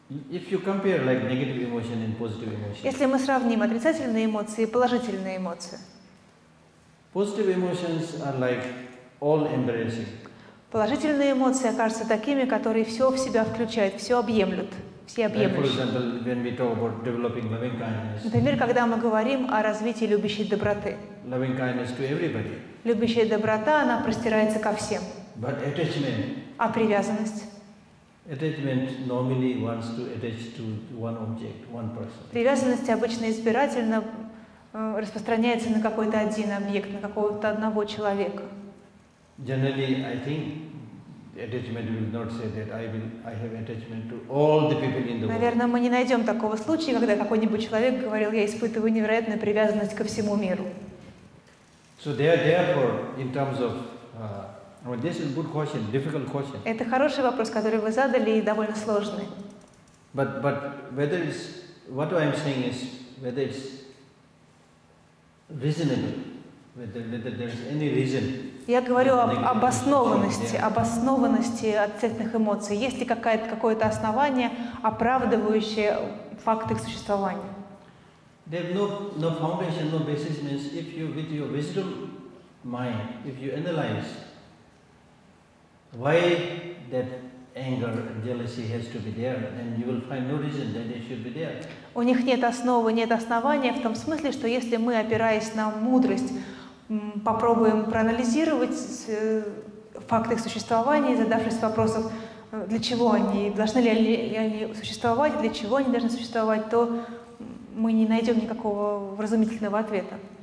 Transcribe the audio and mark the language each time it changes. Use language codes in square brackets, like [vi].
[en] If you compare like negative emotion and positive emotion, [ru] если мы сравним отрицательные эмоции и положительные эмоции, [en] positive emotions are like all embracing. [ru] Положительные эмоции окажутся такими, которые все в себя включают, все объемлют, все объемлющие. [en] Like, for example, when we talk about developing loving kindness. [ru] Например, когда мы говорим о развитии любящей доброты. [en] Loving kindness to everybody. [ru] Любящая доброта, она простирается ко всем. [en] But attachment. [ru] А привязанность? [en] Attachment normally wants to attach to one object, one person. [ru] Привязанность обычно избирательно распространяется на какой-то один объект, на какого-то одного человека. [en] Generally, I think attachment will not say that I have attachment to all the people in the world. [ru] Наверное, мы не найдем такого случая, когда какой-нибудь человек говорил, я испытываю невероятную привязанность ко всему миру. [en] So therefore, in terms of well, this is a good question, difficult question. [ru] Это хороший вопрос, который вы задали, и довольно сложный. [en] But whether it's what I'm saying is whether it's reasonable, whether there's any reason. [ru] Я говорю об обоснованности отрицательных эмоций. Есть ли какое-то основание, оправдывающее факт их существования? [en] There's no foundation, no basis means if you with your wisdom mind, if you analyze why that anger and jealousy has to be there, then you will find no reason that it should be there. [ru] У них нет основы, нет основания в том смысле, что если мы, опираясь на мудрость, попробуем проанализировать факты их существования, задавшись вопросом, для чего они, должны ли они существовать, для чего они должны существовать, то мы не найдем никакого вразумительного ответа.